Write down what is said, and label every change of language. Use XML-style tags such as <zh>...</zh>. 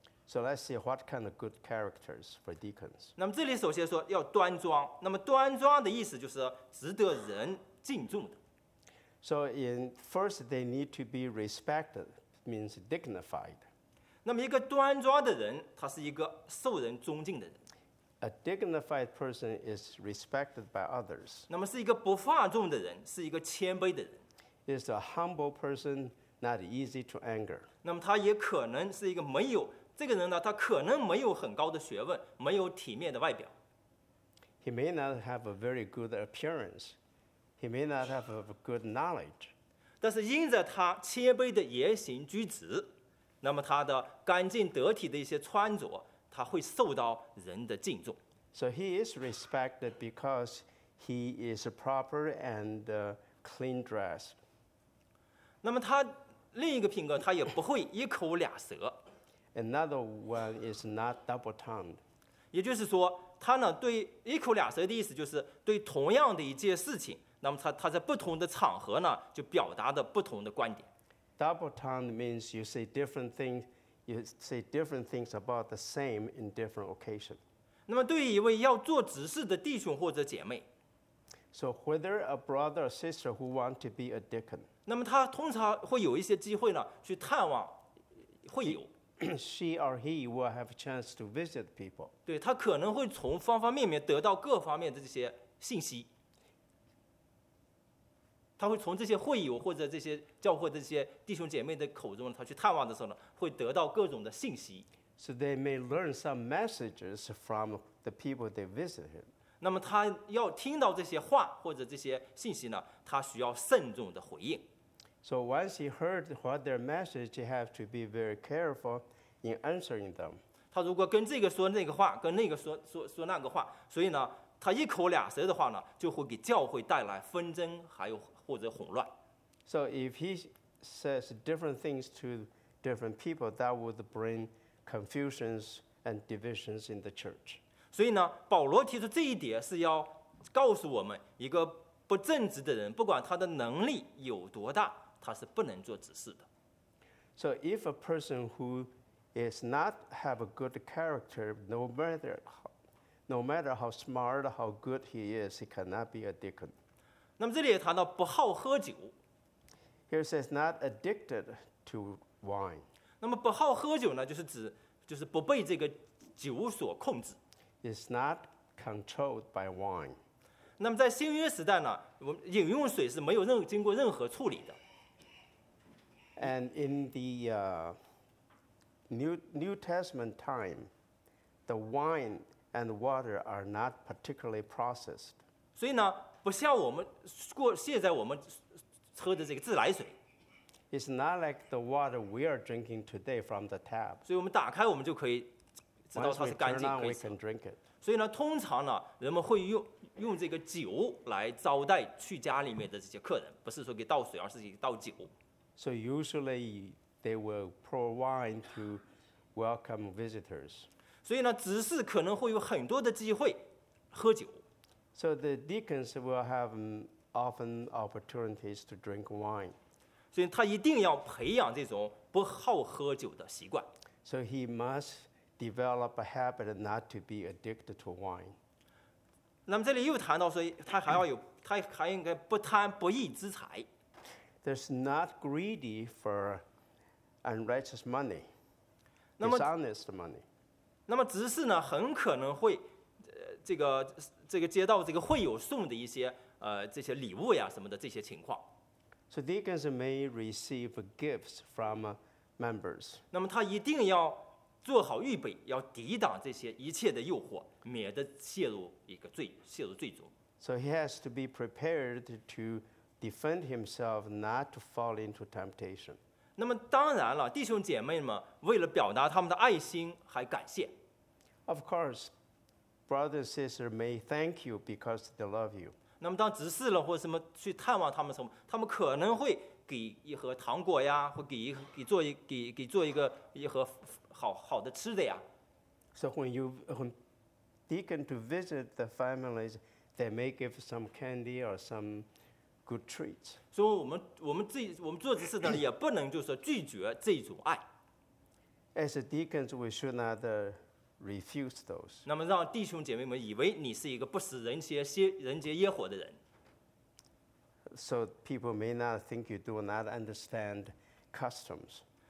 <en>So let's see what kind of good characters for deacons.</en> <zh>那么这里首先说要端庄，那么端庄的意思就是值得人敬重的。</zh> <en>So in first, they need to be respected, means dignified.</en> <zh>那么一个端庄的人，他是一个受人尊敬的人。</zh> <en>A dignified person is respected by others.</en> <zh>那么是一个不放纵的人，是一个谦卑的人。</zh> <en>Is a humble person, not easy to anger.</en> <zh>那么他也可能是一个没有这个人呢，他可能没有很高的学问，没有体面的外表。</zh> <en>He may not have a very good appearance. He may not have a good knowledge.</en> <zh>但是因着他谦卑的言行举止，那么他的干净得体的一些穿着，他会受到人的敬重。</zh> <en>So he is respected because he is a proper and clean dress.</en> <zh>那么他另一个品格，他也不会一口俩舌。</zh> <en>Another one is not double-tongued.</en> <zh>也就是说，他呢对一口两舌的意思就是对同样的一件事情，那么他在不同的场合呢就表达的不同的观点。</zh> <en>Double-tongued means you say different things, you say different things about the same in different occasion.</en> <zh>那么对于一位要做执事的弟兄或者姐妹</zh> <en>，So whether a brother or sister who want to be a deacon,</en> <zh>那么他通常会有一些机会呢去探望会友。</zh> <en>She or he will have a chance to visit people.</en> <zh>对，他可能会从方方面面得到各方面的这些信息。他会从这些会友或者这些教会的这些弟兄姐妹的口中，他去探望的时候呢，会得到各种的信息。</zh> <en>So they may learn some messages from the people they visit him.</en> <zh>那么他要听到这些话或者这些信息呢，他需要慎重的回应。</zh> <en>So once he heard what their message, he had to be very careful in answering them.</en> <zh>他如果跟这个说那个话，跟那个说那个话，所以呢，他一口两舌的话呢，就会给教会带来纷争，还有或者混乱。</zh> <en>So if he says different things to different people, that would bring confusions and divisions in the church.</en> <zh>所以呢，保罗提出这一点是要告诉我们，一个不正直的人，不管他的能力有多大。他是不能做执事的。</zh> <en>So if a person who is not have a good character, no matter how smart, how good he is, he cannot be a deacon.</en> <zh>那么这里也谈到不好喝酒。</zh> <en>Here says not addicted to wine.</en> <zh>那么不好喝酒呢，就是指就是不被这个酒所控制。</zh> <en>Is not controlled by wine.</en> <zh>那么在新约时代呢，我们饮用水是没有经过任何处理的。</zh> <en>And in the New Testament time, the wine and water are not particularly processed.</en> <zh>所以呢，不像我们过现在我们喝的这个自来水。</zh> <en>It's not like the water we are drinking today from the tap.</en> <zh>所以我们打开我们就可以知道它是干净，可以喝。</zh> <en>Once we turn on, we can drink it.</en> <zh>所以呢，通常呢，人们会用这个酒来招待去家里面的这些客人，不是说给倒水，而是给倒酒。</zh> <en>So usually they will pour wine to welcome visitors.</en> <zh>所以呢，执事可能会有很多的机会喝酒。</zh> <en>So the deacons will have often opportunities to drink wine.</en> <zh>所以他一定要培养这种不好喝酒的习惯。</zh> <en>So he must develop a habit not to be addicted to wine.</en> <zh>那么这里又谈到说，他还要有，他还应该不贪不义之财。</zh> <en>There's not greedy for unrighteous money, dishonest money.</en> <zh>那么执事呢，很可能会，这个接到这个会友送的一些这些礼物呀什么的这些情况。</zh> <en>So deacons may receive gifts from members.</en> <zh>那么他一定要做好预备，要抵挡这些一切的诱惑，免得陷入一个罪，陷入罪中。</zh> <en>So he has to be prepared to. Defend himself not to fall into temptation.</en> <zh>那么当然了，弟兄姐妹们为了表达他们的爱心还感谢。</zh> <en>Of course, brother and sister may thank you because they love you.</en> <zh>那么当执事了或什么去探望他们什么，他们可能会给一盒糖果呀，或给做一个好的吃的呀。</zh> <en>So when deacon to visit the families, they may give some candy or some good treats.</en> <zh>所以我们做执事的也不能就是拒绝这种爱。</zh> <en>As a deacons, we should not refuse those.</en> <zh>那么让弟兄姐妹们以为你是一个不食人间烟火的人。</zh> <en>So people may not think you do not understand customs.</en>